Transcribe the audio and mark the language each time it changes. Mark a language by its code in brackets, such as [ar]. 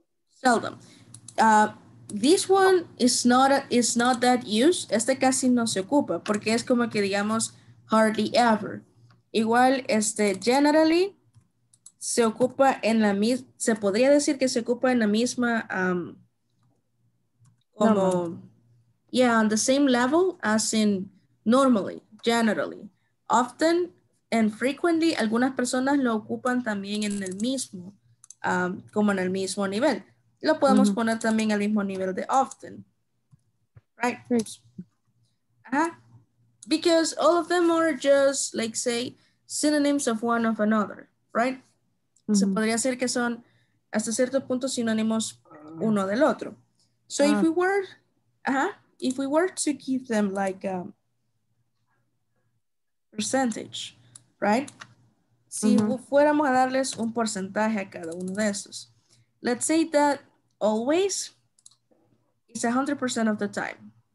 [en] Seldom. This one is not that used. [es] Este casi no se ocupa porque es como que digamos hardly ever. Igual este generally se ocupa en la misma. Se podría decir que se ocupa en la misma como. No. [en] Yeah, on the same level as in normally, generally. [es] Often and frequently, algunas personas lo ocupan también en el mismo, como en el mismo nivel. Lo podemos mm-hmm. poner también al mismo nivel de often. Right? [en] Uh-huh. Because all of them are just, like say, synonyms of one of another, right? Mm-hmm. [es] Se podría decir que son hasta cierto punto sinónimos uno del otro. [en] So if we were, uh-huh. If we were to give them like a percentage, right? Si uh-huh. [es] fuéramos a darles un porcentaje a cada uno de estos. [en] Let's say that always is 100% of the time.